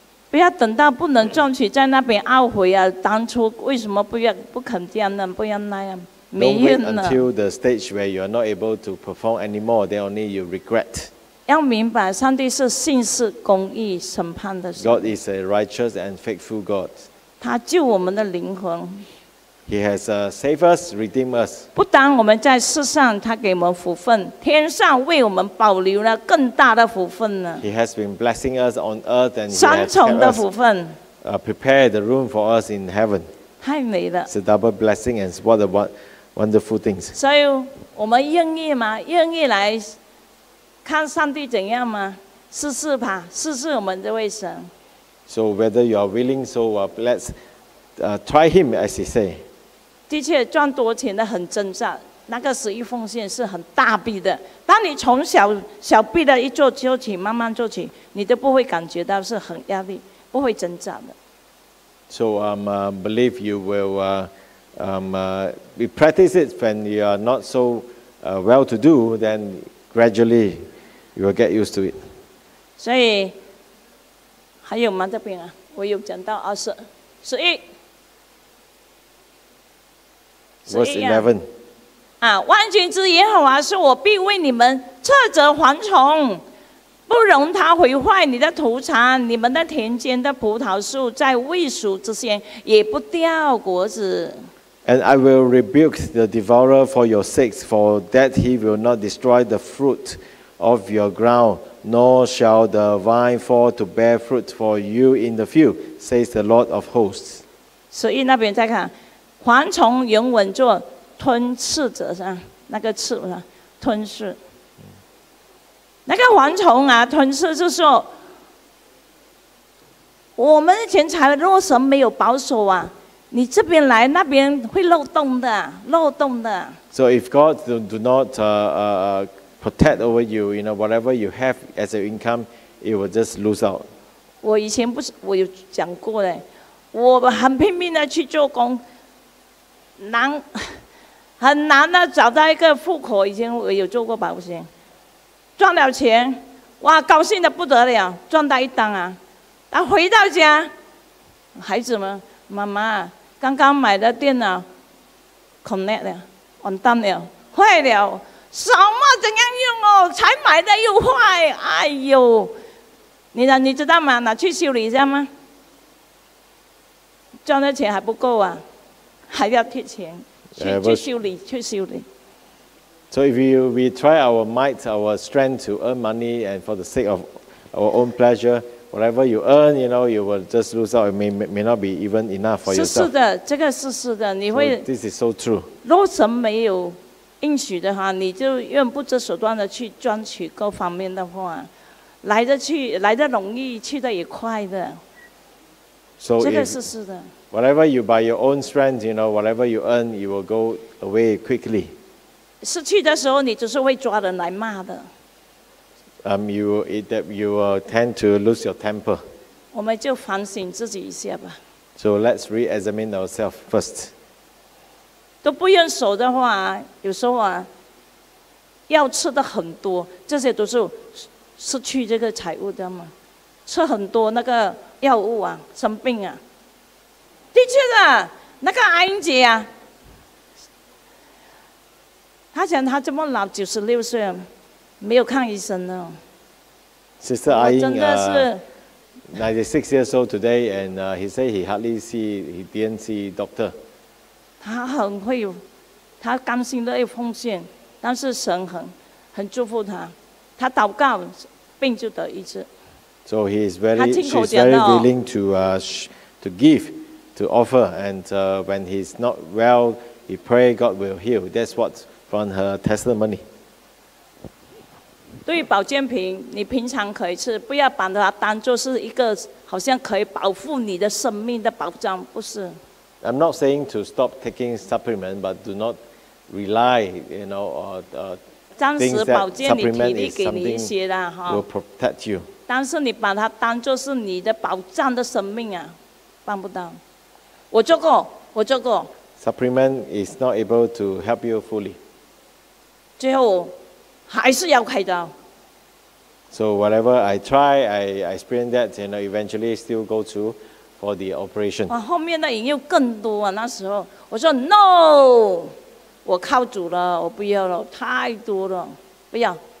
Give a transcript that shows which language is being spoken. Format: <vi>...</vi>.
<zh>不要等到不能赚取，在那边懊悔啊！当初为什么不肯这样呢？不要那样，没用了。</zh> <en>Don't wait until the stage where you are not able to perform anymore. Then only you regret.</en> <zh>要明白，上帝是信实、公义、审判的神。</zh> <en>God is a righteous and faithful God.</en> <zh>他救我们的灵魂。</zh> <en>He has saved us, redeemed us.</en> <zh>不单我们在世上，他给我们福分，天上为我们保留了更大的福分呢。</zh> <en>He has been blessing us on earth and</en> <zh>三重的福分。</zh> <en>Prepare the room for us in heaven.</en> <zh>太美了。</zh> <en>It's a double blessing and what a wonderful things.</en> <zh>所以我们愿意吗？愿意来。看上帝怎样吗？试试吧，试试我们这位神。</zh> <en>So whether you are willing, so let's try him, as he say.</en> <zh>的确，赚多钱的很挣扎，那个十一奉献是很大笔的。当你从小笔的一做就起，慢慢做起，你都不会感觉到是很压力，不会挣扎的。</zh> <en>So believe you will be practice it when you are not so well to do, then. Gradually, you will get used to it.</en> <zh>所以还有吗？这边啊，我有讲到十一</zh> <en>Verse 11.</en> <zh>万军之耶和华是我必为你们斥责蝗虫，不容它毁坏你的土产，你们的田间的葡萄树在未熟之前也不掉果子。</zh> <en>And I will rebuke the devourer for your sakes, for that he will not destroy the fruit of your ground, nor shall the vine fall to bear fruit for you in the field, says the Lord of hosts.</en> <zh>所以那边再看，蝗虫原文做吞噬者是吧？那个噬是吧？吞噬。那个蝗虫啊，吞噬就是说，我们的钱财若神没有保守啊。你这边来，那边会漏洞的，漏洞的。</zh> <en>So if God do not protect over you, you know, whatever you have as an income, it will just lose out.</en> <zh>我以前不是，我有讲过嘞，我很拼命的去做工，很难的找到一个户口。以前我有做过保险，赚了钱，哇，高兴的不得了，赚到一单啊！啊，回到家，孩子们，妈妈。刚刚买的电脑 connect 了，完蛋了，坏了，什么怎样用哦？才买的又坏，哎呦！你知道吗？拿去修理一下吗？赚的钱还不够啊，还要贴钱去修理。</zh> <en>So if we try our might, our strength to earn money and for the sake of our own pleasure. Whatever you earn, you know, you will just lose out. It may not be even enough for yourself.</en> <zh>是的，这个是的，你会。</zh> <en>So, this is so true.</en> <zh>若神没有应许的话，你就愿不择手段的去赚取各方面的话，来的容易，去的也快的。</zh> <en>So</en> <zh>这个是的。</zh> <en>Whatever you by your own strength, you know, whatever you earn, you will go away quickly.</en> <zh>失去的时候，你就是会抓人来骂的。</zh> <en>You will tend to lose your temper.</en> <zh>我们就反省自己一下吧。</zh> <en>So let's re-examine ourselves first.</en> <zh>都不用手的话，有时候啊，要吃的很多，这些都是失去这个财物的嘛。吃很多那个药物啊，生病啊。的确的，那个阿英姐啊，她想她这么老96岁没有看医生了。</zh> <en>Sister Ah Ying,</en> <zh>真的是</zh> <en>96 years old today, and he said he hardly see, he didn't see doctor.</en> <zh>他很会，他甘心乐意奉献，但是神很祝福他，他祷告，病就得医治。</zh> <en>So he is very, she's very willing to to give, to offer, and when he's not well, he pray God will heal. That's what from her testimony.</en> <zh>对于保健品，你平常可以吃，不要把它当作是一个好像可以保护你的生命的保障，不是。</zh> <en>I'm not saying to stop taking supplement, but do not rely, you know, or things that supplement is something will protect you.</en> <zh>但是你把它当作是你的保障的生命啊，办不到。我做过，我做过。</zh> <en>Supplement is not able to help you fully.</en> <zh>最后还是要开刀。</zh> <en>So whatever I try, I experience that, and you know, eventually still go to for the operation.</en> <zh>啊，后面的引诱更多啊！那时候我说 no， 我靠主了，我不要了，太多了，不要。</zh>